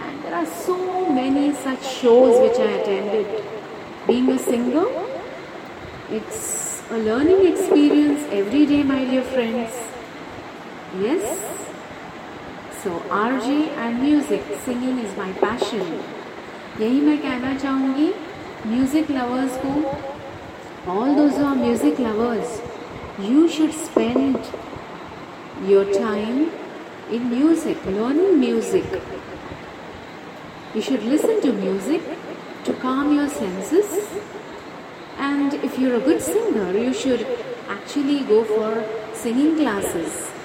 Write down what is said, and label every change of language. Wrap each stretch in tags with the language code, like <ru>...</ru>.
<en>There are so many such shows which I attended. Being a singer, it's a learning experience every day, my dear friends. Yes? So, RJ and music, singing is my passion.</en> <hi>यही मैं कहना चाहूँगी</hi> <en>music lovers</en> <hi>को.</hi> <en>All those who are music lovers, you should spend your time in music, learning music. You should listen to music to calm your senses. And if you're a good singer, you should actually go for singing classes.</en>